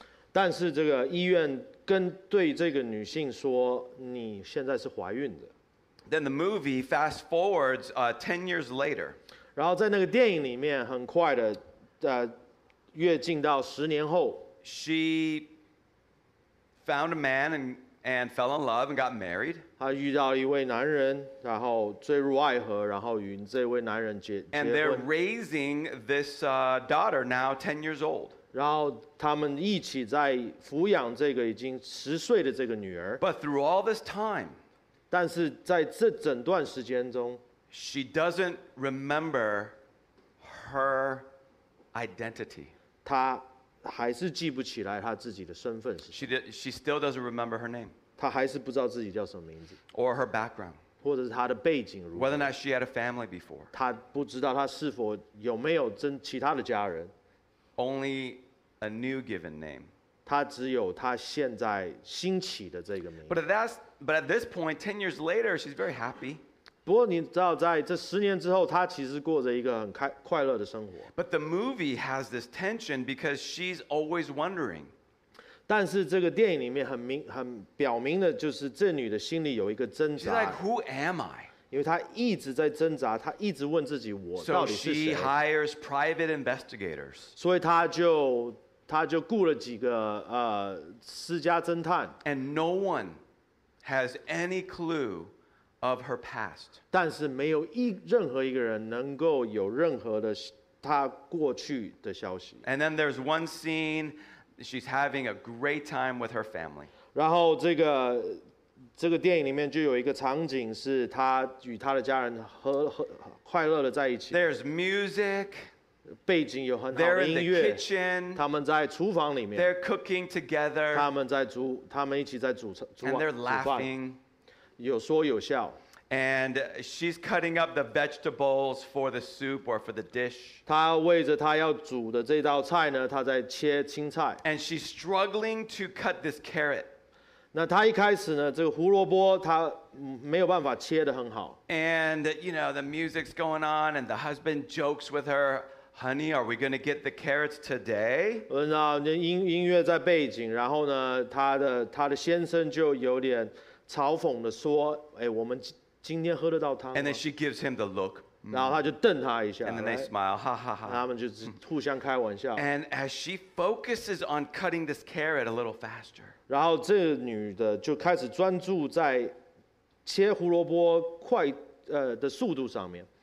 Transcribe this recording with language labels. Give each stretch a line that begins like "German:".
Chinese: 但是这个医院跟对这个女性说，你现在是怀孕的。
English: Then the movie fast forwards 10 years later.
Chinese: 然后在那个电影里面，很快的，跃进到十年后。
English: She found a man and fell in love and got married.
Chinese: 她遇到一位男人，然后坠入爱河，然后与这位男人结婚。
English: And they're raising this daughter now 10 years old.
Chinese: 然后他们一起在抚养这个已经十岁的这个女儿。
English: But through all this time,
Chinese: 但是在这整段时间中。
English: She doesn't remember her identity.
Chinese: 她还是记不起来她自己的身份是什么。
English: She still doesn't remember her name.
Chinese: 她还是不知道自己叫什么名字。
English: Or her background.
Chinese: 或者是她的背景如何。
English: Whether or not she had a family before.
Chinese: 她不知道她是否有没有其他的家人。
English: Only a new given name.
Chinese: 她只有她现在新起的这个名字。
English: But at this point, 10 years later, she's very happy.
Chinese: 不过你知道，在这十年之后，她其实过着一个很快乐的生活。
English: But the movie has this tension because she's always wondering.
Chinese: 但是这个电影里面很表明的就是这女的心里有一个挣扎。
English: She's like, who am I?
Chinese: 因为她一直在挣扎，她一直问自己，我到底是谁。
English: So she hires private investigators.
Chinese: 所以她就雇了几个私家侦探。
English: And no one has any clue. Of her past,
Chinese: 但是没有任何一个人能够有任何的她过去的消息。
English: And then there's one scene, she's having a great time with her family.
Chinese: 然后这个电影里面就有一个场景是她与她的家人快乐的在一起。
English: There's music,
Chinese: 背景有很好的音乐。
English: They're in the kitchen,
Chinese: 他们在厨房里面。
English: They're cooking together,
Chinese: 他们一起在煮饭。
English: And they're laughing.
Chinese: 有说有笑
English: and she's cutting up the vegetables for the soup or for the dish.
Chinese: 她为着她要煮的这道菜呢，她在切青菜
English: and she's struggling to cut this carrot.
Chinese: 那她一开始呢，这个胡萝卜她没有办法切得很好
English: and you know the music's going on and the husband jokes with her, "Honey, are we going to get the carrots today?"
Chinese: 那音乐在背景，然后呢，她的先生就有点。嘲讽地说，哎，我们今天喝得到汤吗？
English: And then she gives him the look,
Chinese: 然后他就瞪他一下。
English: And then they smile, ha ha ha.
Chinese: 他们就互相开玩笑。
English: And as she focuses on cutting this carrot a little faster.
Chinese: 然后这女的就开始专注在切胡萝卜快的速度上面。